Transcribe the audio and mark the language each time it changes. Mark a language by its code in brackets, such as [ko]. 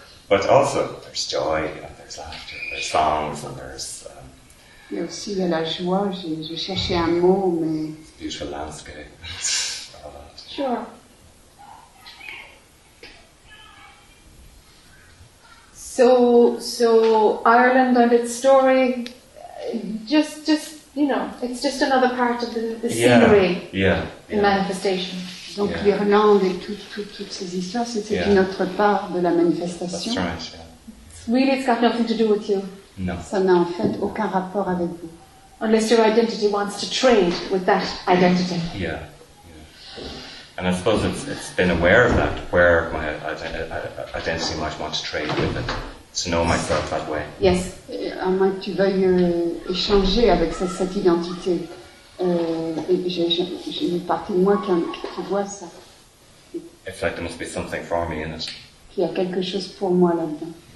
[en] But also, there's joy, and there's laughter, and there's songs, and there's. [fr] Il y a aussi de la joie, je cherchais un mot, mais. [en] It's a beautiful landscape. Sure. So Ireland and its story, it's just another part of the scenery. [fr] Manifestation. Donc l'Irlande et toutes ces histoires, c'est une autre part de la manifestation. [en] That's right, Really, it's got nothing to do with you. No. [fr] Ça n'a en fait aucun rapport avec vous. [en] Unless your identity wants to trade with that identity. Yeah. And I suppose it's been aware of that, where my identity might want to trade with it. To know myself that way. Yes. [fr] À moins que tu veuilles échanger avec cette identité. J'ai une partie de moi qui voit ça. [en] It's like there must be something for me in it. [fr] Qu'il y a quelque chose pour moi là-dedans.